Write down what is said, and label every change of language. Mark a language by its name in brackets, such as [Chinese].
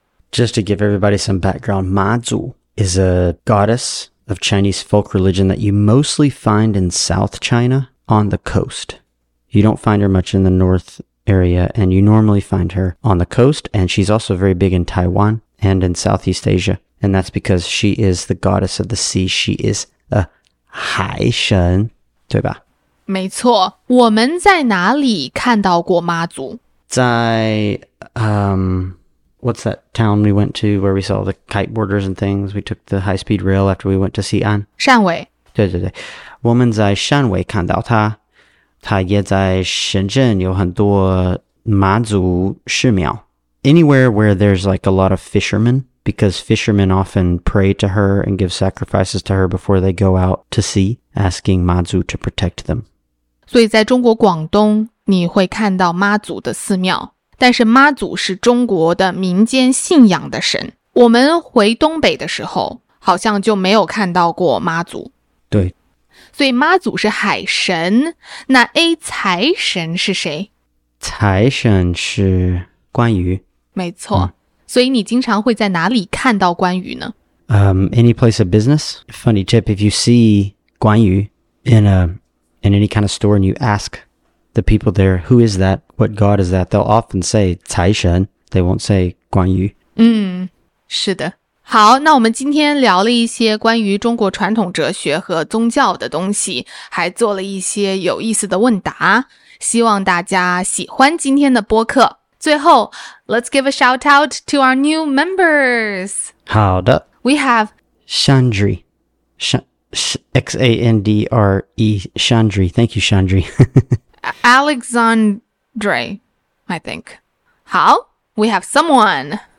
[English] Just to give everybody some background, 妈祖 is a goddess of Chinese folk religion that you mostly find in South China on the coast. You don't find her much in the north area, and you normally find her on the coast, and she's also very big in Taiwan and in Southeast Asia, and that's because she is the goddess of the sea. She is a [Chinese] 海神，对吧？没错，我们在哪里看到过妈祖？ [English] 在what's that town we went to where we saw the kite borders and things? We took the high-speed rail after we went to Xi'an. [Chinese] 汕尾。对对对，我们在汕尾看到她，她也在深圳有很多妈祖寺庙。 [English] Anywhere where there's like a lot of fishermen, because fishermen often pray to her and give sacrifices to her before they go out to sea, asking 妈祖 to protect them. [Chinese] 所以在中国广东，你会看到妈祖的寺庙，但是妈祖是中国的民间信仰的神。我们回东北的时候，好像就没有看到过妈祖。对。所以妈祖是海神，那 A 财神是谁？财神是关羽。没错。所以你经常会在哪里看到关羽呢？ [English] Any place of business. Funny tip, if you see 关羽 in any kind of store and you ask the people there, who is that? What god is that? They'll often say 财神, they won't say 关羽。 [Chinese] 嗯，是的。好，那我们今天聊了一些关于中国传统哲学和宗教的东西，还做了一些有意思的问答，希望大家喜欢今天的播客。最后 [English] ,let's give a shout out to our new members. [Chinese] 好的。 [English] We have Chandri. X-A-N-D-R-E, Chandri. Thank you, Chandri. Alexandre, I think. 好, we have someone.